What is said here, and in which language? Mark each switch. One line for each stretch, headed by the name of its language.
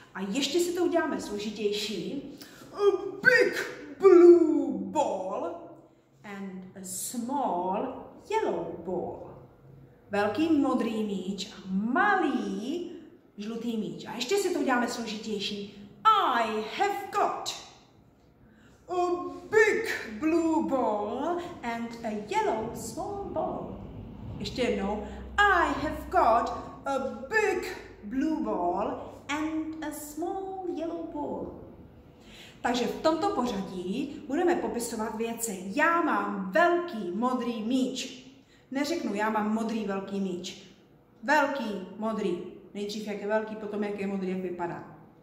Czech: A ještě si to uděláme složitější.
English: A big blue ball and a small yellow ball.
Czech: Velký modrý míč a malý žlutý míč. A ještě si to uděláme složitější.
English: I have got a big blue ball and a yellow small ball.
Czech: Ještě jednou.
English: I have got a big blue ball and a small yellow ball.
Czech: Takže v tomto pořadí budeme popisovat věci. Já mám velký modrý míč. Neřeknu, já mám modrý velký míč. Velký modrý. Nejdřív jak je velký, potom jak je modrý, jak vypadá.